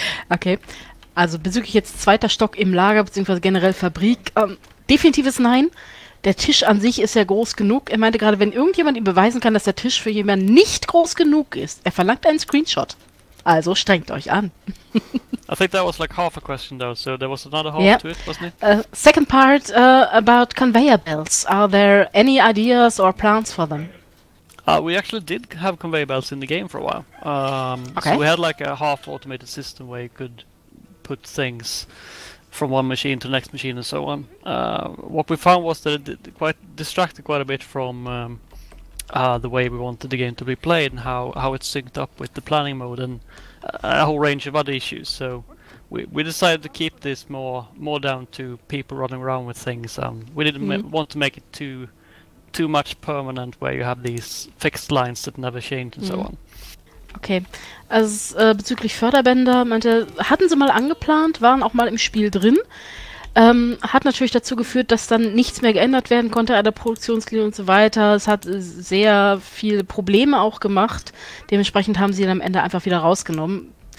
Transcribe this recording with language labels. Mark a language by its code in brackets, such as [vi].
[de] Okay, also bezüglich jetzt zweiter Stock im Lager beziehungsweise generell Fabrik. Definitives Nein. Der Tisch an sich ist ja groß genug. Er meinte gerade, wenn irgendjemand ihm beweisen kann, dass der Tisch für jemanden nicht groß genug ist, er verlangt einen Screenshot. Also strengt euch an. [en] I think that was like half a question though, so there was another half to it, wasn't it? Second part about conveyor belts. Are there any ideas or plans for them? We actually did have conveyor belts in the game for a while. Okay. So we had like a half automated system where you could put things from one machine to the next machine and so on. What we found was that it distracted quite a bit from the way we wanted the game to be played and how it synced up with the planning mode and a whole range of other issues. So we decided to keep this more down to people running around with things. We didn't want to make it too much permanent where you have these fixed lines that never change and so on. [de] Okay, also bezüglich Förderbänder, meinte, hatten sie mal angeplant, waren auch mal im Spiel drin, hat natürlich dazu geführt, dass dann nichts mehr geändert werden konnte an der Produktionslinie und so weiter, es hat sehr viele Probleme auch gemacht, dementsprechend haben sie dann am Ende einfach wieder rausgenommen.